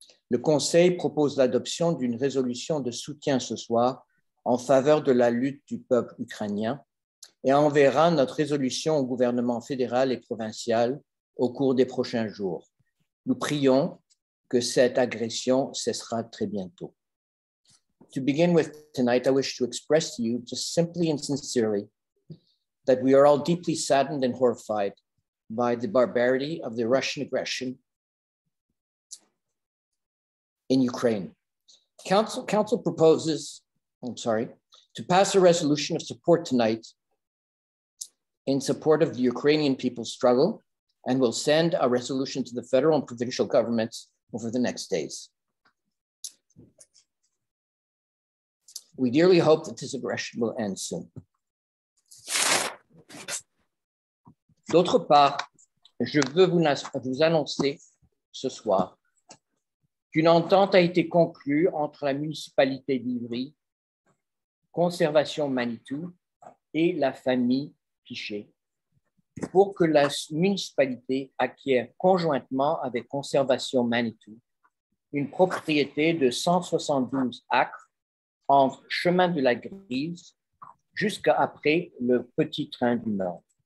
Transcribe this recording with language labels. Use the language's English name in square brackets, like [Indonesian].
[French] Le Conseil propose l'adoption d'une résolution de soutien ce soir en faveur de la lutte du peuple ukrainien et enverra notre résolution au gouvernement fédéral et provincial au cours des prochains jours. Nous prions que cette agression cessera très bientôt. [English] To begin with tonight, I wish to express to you just simply and sincerely that we are all deeply saddened and horrified by the barbarity of the Russian aggression in Ukraine. Council proposes, to pass a resolution of support tonight in support of the Ukrainian people's struggle and will send a resolution to the federal and provincial governments over the next days. We dearly hope that this aggression will end soon. [French] D'autre part, je veux vous annoncer ce soir qu'une entente a été conclue entre la municipalité d'Ivry, Conservation Manitou et la famille Pichet pour que la municipalité acquière conjointement avec Conservation Manitou une propriété de 172 acres en chemin de la Grise jusqu'à après le petit train du Nord.